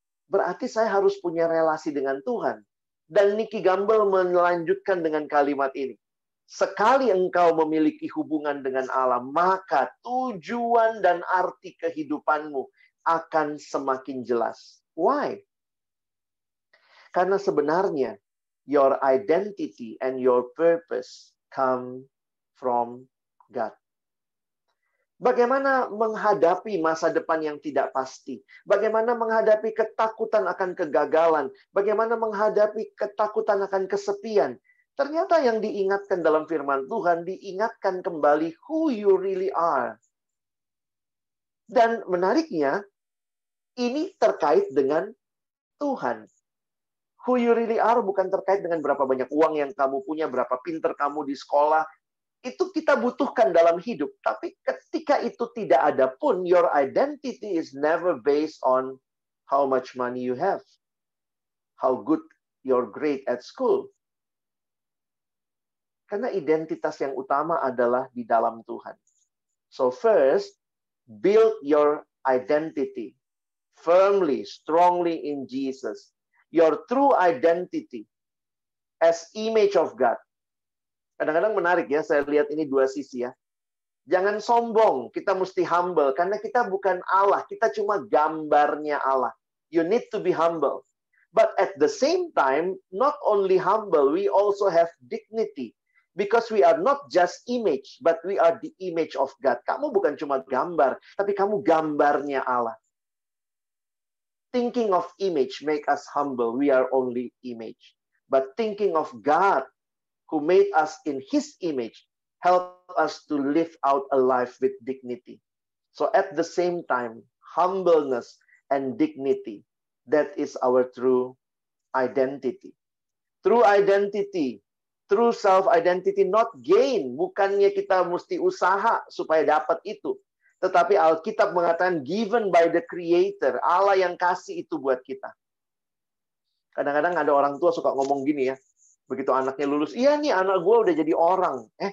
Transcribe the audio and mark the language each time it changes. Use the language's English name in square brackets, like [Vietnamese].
[Indonesian] Berarti saya harus punya relasi dengan Tuhan. Dan Nicky Gamble melanjutkan dengan kalimat ini. Sekali engkau memiliki hubungan dengan Allah, maka tujuan dan arti kehidupanmu akan semakin jelas. [English] Why? [Indonesian] Karena sebenarnya, [English] your identity and your purpose come from God. [Indonesian] Bagaimana menghadapi masa depan yang tidak pasti? Bagaimana menghadapi ketakutan akan kegagalan? Bagaimana menghadapi ketakutan akan kesepian? Ternyata yang diingatkan dalam firman Tuhan, diingatkan kembali [English] who you really are. [Indonesian] Dan menariknya, ini terkait dengan Tuhan. [English] Who you really are [Indonesian] bukan terkait dengan berapa banyak uang yang kamu punya, berapa pinter kamu di sekolah. Itu kita butuhkan dalam hidup. Tapi ketika itu tidak ada pun, [English] your identity is never based on how much money you have, how good your grade at school. [Indonesian] Karena identitas yang utama adalah di dalam Tuhan. [English] So first, build your identity firmly, strongly in Jesus. Your true identity as image of God. [Indonesian] Kadang-kadang menarik ya, saya lihat ini dua sisi ya. Jangan sombong, kita mesti humble. Karena kita bukan Allah, kita cuma gambarnya Allah. [English] You need to be humble. But at the same time, not only humble, we also have dignity. Because we are not just image, but we are the image of God. [Indonesian] Kamu bukan cuma gambar, tapi kamu gambarnya Allah. [English] Thinking of image make us humble. We are only image. But thinking of God, who made us in His image, help us to live out a life with dignity. So at the same time, humbleness and dignity, that is our true identity. True identity, true self-identity, not gain. [Indonesian] Bukannya kita mesti usaha supaya dapat itu. Tetapi Alkitab mengatakan, [English] given by the Creator, [Indonesian] Allah yang kasih itu buat kita. Kadang-kadang ada orang tua suka ngomong gini ya, begitu anaknya lulus, iya nih anak gue udah jadi orang.